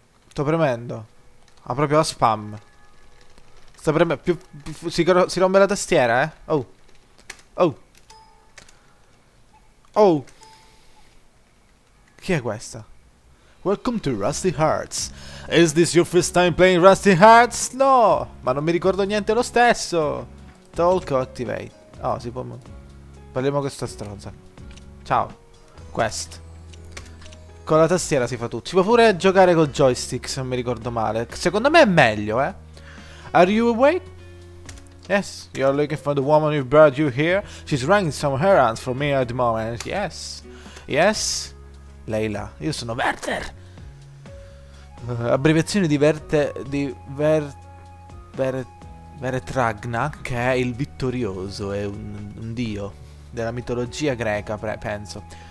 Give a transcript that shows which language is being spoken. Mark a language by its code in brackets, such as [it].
[it] Sto premendo. Ma proprio a spam. Sta per me. Si rompe la tastiera, eh? Oh. Oh. Oh. Chi è questa? [en] Welcome to Rusty Hearts. Is this your first time playing Rusty Hearts? No! [it] Ma non mi ricordo niente lo stesso. [en] Talk activate. [it] Oh, si può. Parliamo con questa stronza. Ciao. Quest. Con la tastiera si fa tutto. Si può pure giocare col joystick, se non mi ricordo male. Secondo me è meglio, eh. [en] Are you awake? Yes, you're looking for the woman who brought you here. She's running some errands for me at the moment. Yes. Yes. [it] Leila, io sono Werther. Abbreviazione di Werther. Di Werther Ragna, che è il vittorioso. È un dio della mitologia greca, penso.